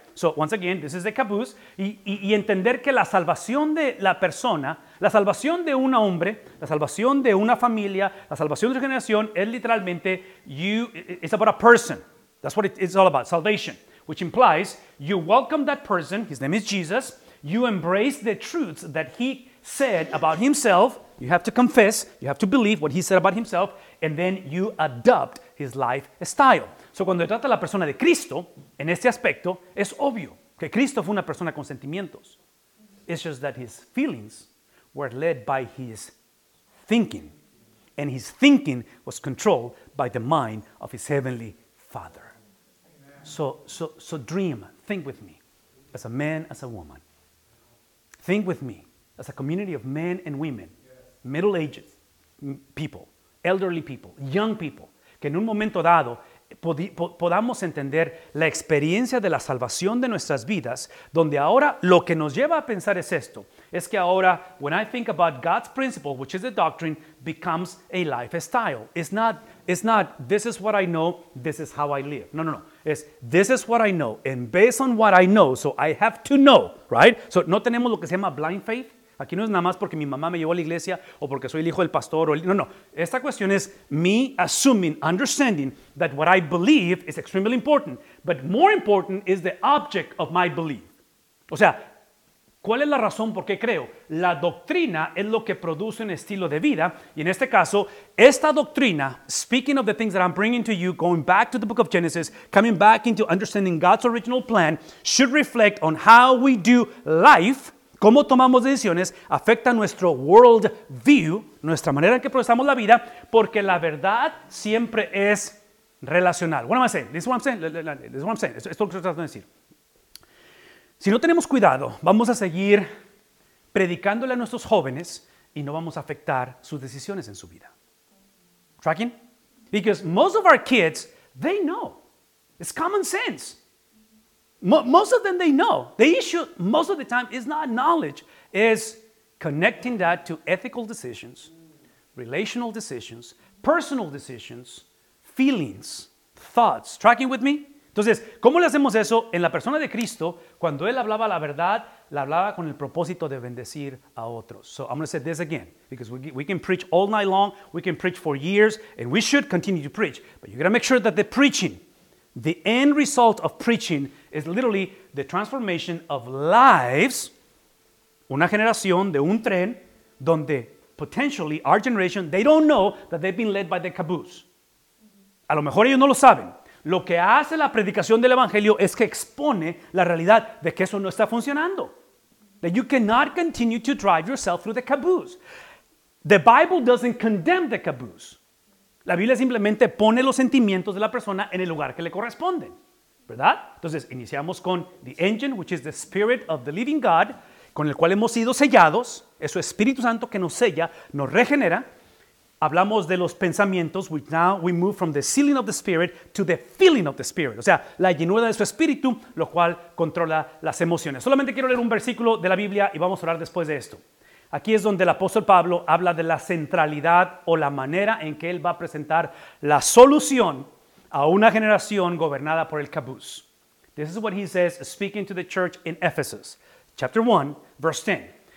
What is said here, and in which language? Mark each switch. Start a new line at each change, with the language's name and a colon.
English: So, once again, this is the caboose.
Spanish: Y entender que la salvación de la persona, la salvación de un hombre, la salvación de una familia, la salvación de una generación, es literalmente,
English: it's about a person. That's what it's all about, salvation. Which implies you welcome that person, his name is Jesus, you embrace the truths that he said about himself, you have to confess, you have to believe what he said about himself, and then you adopt his life style. So
Spanish: cuando trata la persona de Cristo, en este aspecto, es obvio que Cristo fue una persona con sentimientos.
English: It's just that his feelings were led by his thinking, and his thinking was controlled by the mind of his heavenly Father. So dream, think with me, as a man, as a woman. Think with me, as a community of men and women, middle-aged people, elderly people, young people,
Spanish: que en un momento dado podamos entender la experiencia de la salvación de nuestras vidas, donde ahora lo que nos lleva a pensar es esto, es que ahora,
English: when I think about God's principle, which is the doctrine, becomes a lifestyle. It's not, this is what I know, this is how I live. No.
Spanish: Es,
English: this is what I know, and based on what I know, so I have to know, right? So,
Spanish: no tenemos lo que se llama blind faith. Aquí no es nada más porque mi mamá me llevó a la iglesia, o porque soy el hijo del pastor, no. Esta cuestión es
English: me assuming, understanding that what I believe is extremely important, but more important is the object of my belief.
Spanish: O sea, ¿Cuál es la razón por qué creo? La doctrina es lo que produce un estilo de vida. Y en este caso, esta doctrina,
English: speaking of the things that I'm bringing to you, going back to the book of Genesis, coming back into understanding God's original plan, should reflect on how we do life,
Spanish: cómo tomamos decisiones, afecta nuestro
English: world view,
Spanish: nuestra manera en que procesamos la vida, porque la verdad siempre es relacional.
English: What am I saying? This is what I'm saying. This is what I'm saying.
Spanish: Esto es lo que estoy tratando de decir. Si no tenemos cuidado, vamos a seguir predicándole a nuestros jóvenes y no vamos a afectar sus decisiones en su vida.
English: Tracking? Because most of our kids, they know. It's common sense. Most of them, they know. The issue most of the time is not knowledge, is connecting that to ethical decisions, relational decisions, personal decisions, feelings, thoughts. Tracking with me?
Spanish: Entonces, ¿cómo le hacemos eso en la persona de Cristo? Cuando él hablaba la verdad, la hablaba con el propósito de bendecir a otros.
English: So I'm going to say this again, because we can preach all night long, we can preach for years, and we should continue to preach. But you got to make sure that the preaching, the end result of preaching, is literally the transformation of lives,
Spanish: una generación de un tren, donde
English: potentially our generation, they don't know that they've been led by the caboose.
Spanish: A lo mejor ellos no lo saben. Lo que hace la predicación del Evangelio es que expone la realidad de que eso no está funcionando.
English: That you cannot continue to drive yourself through the caboose. The Bible doesn't condemn the caboose.
Spanish: La Biblia simplemente pone los sentimientos de la persona en el lugar que le corresponden. ¿Verdad? Entonces, iniciamos con
English: the engine, which is the spirit of the living God,
Spanish: con el cual hemos sido sellados. Es su Espíritu Santo que nos sella, nos regenera. Hablamos de los pensamientos,
English: which now we move from the sealing of the spirit to the filling of the spirit.
Spanish: O sea, la llenura de su espíritu, lo cual controla las emociones. Solamente quiero leer un versículo de la Biblia y vamos a orar después de esto. Aquí es donde el apóstol Pablo habla de la centralidad o la manera en que él va a presentar la solución a una generación gobernada por el caboose.
English: This is what he says, speaking to the church in Ephesus, chapter 1, verse 10.